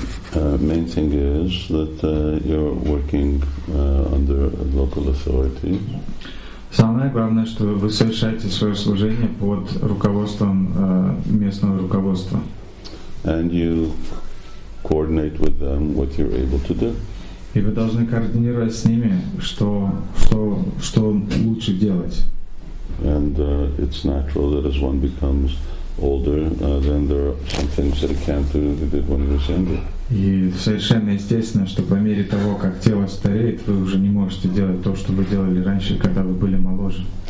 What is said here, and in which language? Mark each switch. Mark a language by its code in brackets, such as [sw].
[en] The main thing is that you're working under a local authority. [ru] Самое главное, что вы совершаете свое служение под руководством местного руководства. [en] And you coordinate with them what you're able to do. [ru] И вы должны координировать с ними, что лучше делать. [en] And it's natural that as one becomes older, then there are some things that he can't do that he did when he was younger. [ru] И совершенно естественно, что по мере того, как тело стареет, вы уже не можете делать то, что вы делали раньше, когда вы были моложе.